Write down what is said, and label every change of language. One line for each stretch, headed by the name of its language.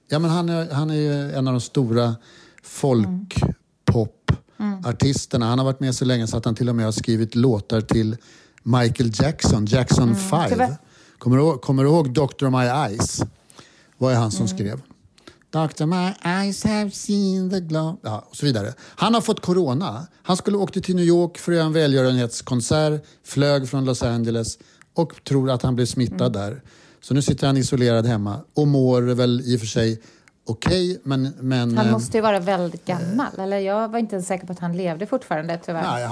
Swedish: honom. Han är ju en av de stora folkpop artisterna. Han har varit med så länge så att han till och med har skrivit låtar till Michael Jackson, Jackson 5. Kommer du ihåg Doctor of My Eyes? Vad är han som skrev?
English: Doctor, my eyes have seen the glow.
Swedish: Ja, och så vidare. Han har fått corona. Han skulle åka till New York för att göra en välgörenhetskonsert. Flög från Los Angeles. Och tror att han blev smittad där. Så nu sitter han isolerad hemma. Och mår väl i och för sig okej. Okay, men, han måste ju vara väldigt gammal. Eller jag var inte ens säker på att han levde fortfarande tyvärr.